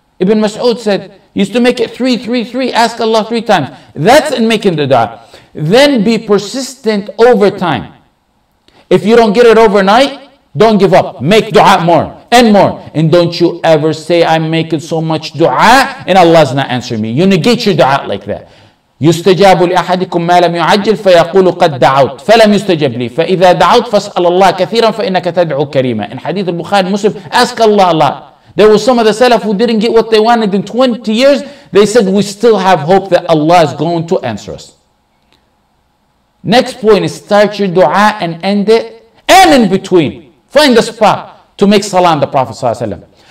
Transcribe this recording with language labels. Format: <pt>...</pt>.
<en>Ibn Mas'ud said, used to make it three, ask Allah three times. That's in making the dua. Then be persistent over time. If you don't get it overnight, don't give up. Make dua more and more. And don't you ever say, I'm making so much dua and Allah's not answering me. You negate your dua like that.</en> <ar>يستجاب لأحدكم ما لم يعجل فيقول قد دعوت فلم يستجب لي فإذا دعوت فاسأل الله كثيرا فإنك تدعو كريما.</ar> <en>In Hadith al-Bukhari Muslim, ask Allah a lot. There were some of the Salaf who didn't get what they wanted in 20 years. They said, we still have hope that Allah is going to answer us. Next point is start your dua and end it, and in between, find a spot to make salah on the Prophet ﷺ.</en>